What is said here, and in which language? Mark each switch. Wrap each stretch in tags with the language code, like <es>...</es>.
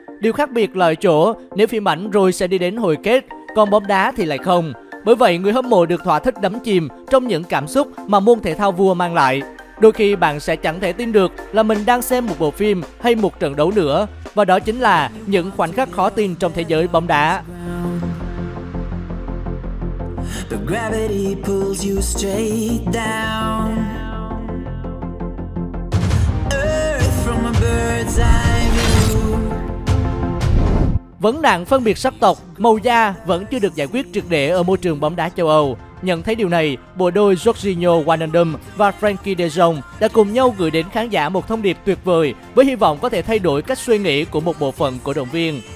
<vi>Điều khác biệt là ở chỗ, nếu phim ảnh rồi sẽ đi đến hồi kết, còn bóng đá thì lại không. Bởi vậy, người hâm mộ được thỏa thích đắm chìm trong những cảm xúc mà môn thể thao vua mang lại. Đôi khi bạn sẽ chẳng thể tin được là mình đang xem một bộ phim hay một trận đấu nữa, và đó chính là những khoảnh khắc khó tin trong thế giới bóng đá.</vi> <en>The gravity pulls you straight down. Earth from a bird's eye view.</en> <vi>Vấn nạn phân biệt sắc tộc, màu da vẫn chưa được giải quyết triệt để ở môi trường bóng đá châu Âu. Nhận thấy điều này, bộ đôi Jorginho Wijnaldum và Frenkie de Jong đã cùng nhau gửi đến khán giả một thông điệp tuyệt vời với hy vọng có thể thay đổi cách suy nghĩ của một bộ phận cổ động viên.</vi>